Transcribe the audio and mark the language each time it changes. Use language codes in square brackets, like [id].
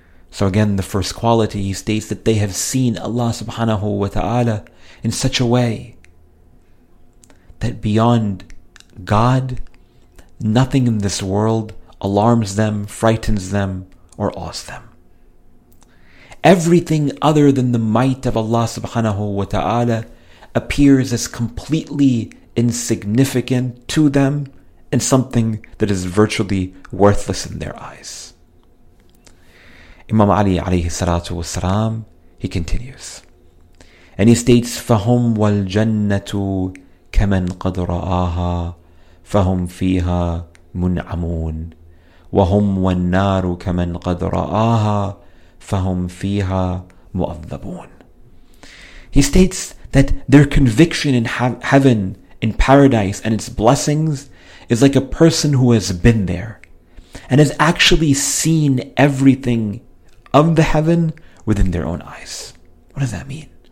[en] So again, the first quality, he states that they have seen Allah subhanahu wa ta'ala in such a way that beyond God, nothing in this world alarms them, frightens them, or awes them. Everything other than the might of Allah subhanahu wa ta'ala appears as completely insignificant to them and something that is virtually worthless in their eyes. Imam Ali alayhi salatu wasalam, he continues, and he states, [ar] فَهُمْ وَالْجَنَّةُ كَمَنْ قَدْ رَآهَا فَهُمْ فِيهَا مُنْعَمُونَ وَهُمْ وَالنَّارُ كَمَنْ قَدْ رَآهَا فَهُمْ فِيهَا مُؤَذَّبُونَ. [en] He states that their conviction in heaven, in paradise and its blessings is like a person who has been there and has actually seen everything of the heaven within their own eyes. What does that mean?